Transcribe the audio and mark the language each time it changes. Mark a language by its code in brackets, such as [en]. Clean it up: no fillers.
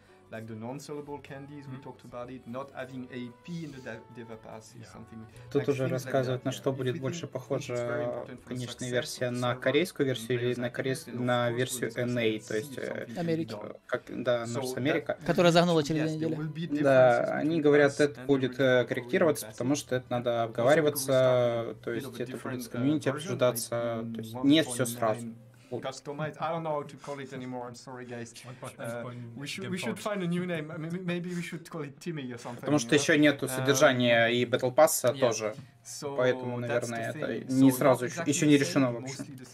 [en] Like the non-sellable candies, we talked about it. Not having AP in the dev pass is something. [ru] Тут уже рассказывают, на что будет больше похожа конечная версия, на корейскую версию или на версию NA, то есть Америки. Как, да, North America, которая загнула через неделю. Да, они говорят, это будет корректироваться, потому что это надо обговариваться, то есть это будет с комьюнити обсуждаться, то есть не все сразу. [en] Customized. I don't know how to call it anymore. I'm sorry, guys. We should find a new name. Maybe we should call it Timmy or something. [ru] Потому что еще нету содержания и Battle Pass тоже. So поэтому, наверное, это не сразу exactly еще не решено вообще.